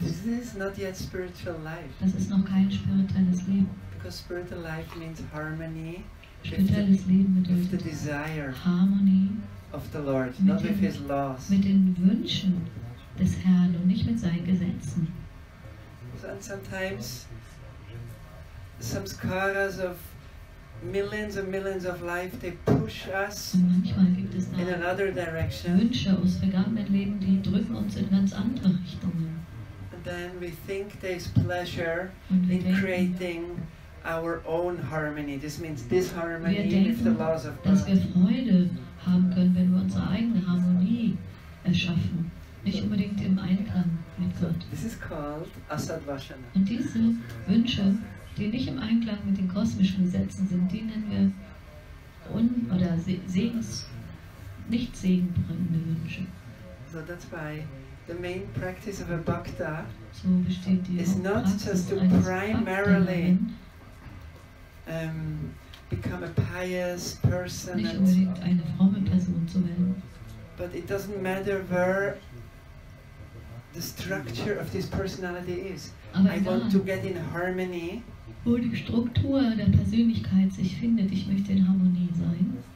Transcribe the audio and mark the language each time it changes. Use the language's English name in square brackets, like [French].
[English] This is not yet spiritual life. [German] Das ist noch kein spirituelles Leben. [English] Because spiritual life means harmony with the desire harmony of the Lord, not with his laws. [German] Mit den Wünschen des Herrn und nicht mit seinen Gesetzen. [English] So, and sometimes samskaras of millions and millions of life, they push us in another direction. [German] Wünsche aus vergangenen Leben, die drücken uns in ganz andere Richtungen. [English] And then we think there's pleasure in creating our own harmony. This means this harmony with the laws of God. [German] Dass wir Freude haben können, wenn wir unsere eigene Harmonie erschaffen, nicht unbedingt im Einklang mit Gott. [English] This is called asad vashana. [German] Und diese Wünsche, die nicht im Einklang mit den kosmischen Gesetzen sind, die nennen wir nicht segenbringende Wünsche. [English] So that's why the main practice of a bhakta [German] so besteht die [English] is not just to primarily become a pious person, [German] nicht unbedingt eine fromme Person zu werden. [English] But it doesn't matter where the structure of this personality is. [German] Aber [English] I want to get in harmony. [German] Wo die Struktur der Persönlichkeit sich findet, ich möchte in Harmonie sein.